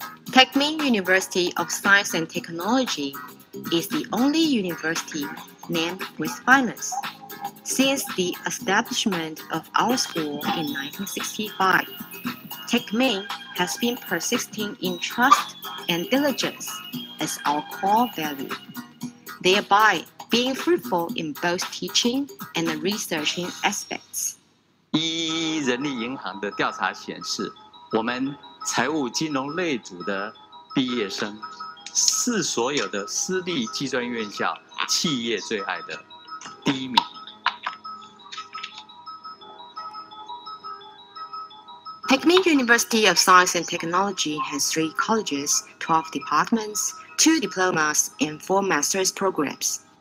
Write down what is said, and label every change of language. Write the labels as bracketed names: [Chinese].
[English] Takming University of Science and Technology is the only university named with finance since the establishment of our school in 1965. Takming has been persisting in trust and diligenceas our core value, thereby being fruitful in both teaching and the researching aspects. [Chinese] 依人力银行的调查显示，我们财务金融类组的毕业生是所有的私立技专院校企业最爱的第一名。 [English] Takming University of Science and Technology has 3 colleges, 12 departments,2 diplomas and 4 master's programs.